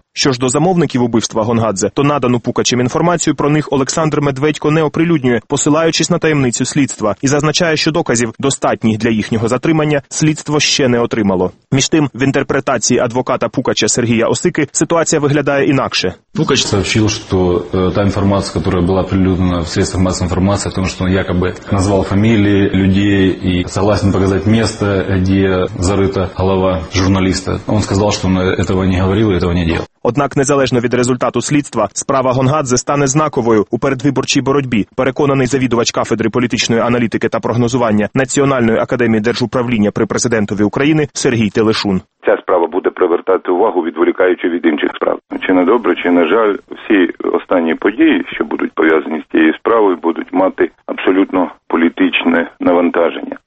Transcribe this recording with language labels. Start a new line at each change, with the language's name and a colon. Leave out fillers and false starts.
Ukrainian: Що ж до замовників убивства Гонгадзе, то надану Пукачем інформацію про них Олександр Медведько не оприлюднює, посилаючись на таємницю слідства, і зазначає, що доказів достатніх для їхнього затримання слідство ще не отримало. Між тим, в інтерпретації адвоката Пукача Сергія Осики ситуація виглядає інакше.
Russian: Пукач сообщил, что та информация, которая была прилюдна в средствах массовой информации о том, что он якобы назвал фамилии людей и согласен показать место, где зарыта голова журналиста. Он сказал, что он этого не говорил и этого не делал.
Ukrainian: Однак, незалежно від результату слідства, справа Гонгадзе стане знаковою у передвиборчій боротьбі, переконаний завідувач кафедри політичної аналітики та прогнозування Національної академії держуправління при президентові України Сергій Телешун. Ця справа буде привертати увагу, відволікаючи від інших справ. Чи не добре, чи не жаль, всі останні події, що будуть пов'язані з цією справою, будуть мати абсолютно політичне навантаження.